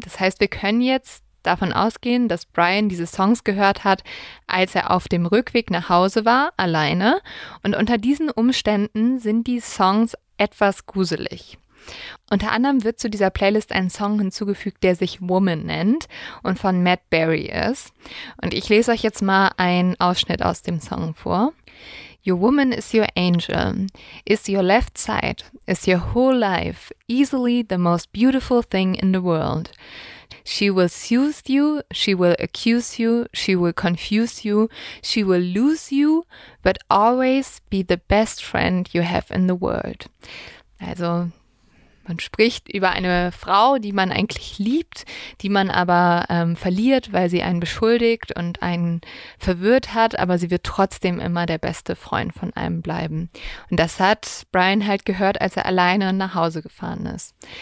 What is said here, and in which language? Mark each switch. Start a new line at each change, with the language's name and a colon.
German: Das heißt, wir können jetzt davon ausgehen, dass Brian diese Songs gehört hat, als er auf dem Rückweg nach Hause war, alleine. Und unter diesen Umständen sind die Songs etwas gruselig. Unter anderem wird zu dieser Playlist ein Song hinzugefügt, der sich Woman nennt und von Matt Berry ist. Und ich lese euch jetzt mal einen Ausschnitt aus dem Song vor.
English: Your woman is your angel, is your left side, is your whole life, easily the most beautiful thing in the world. She will soothe you, she will accuse you, she will confuse you, she will lose you, but always be the best friend you have in the world.
German: Also, man spricht über eine Frau, die man eigentlich liebt, die man aber verliert, weil sie einen beschuldigt und einen verwirrt hat, aber sie wird trotzdem immer der beste Freund von einem bleiben. Und das hat Brian halt gehört, als er alleine nach Hause gefahren ist.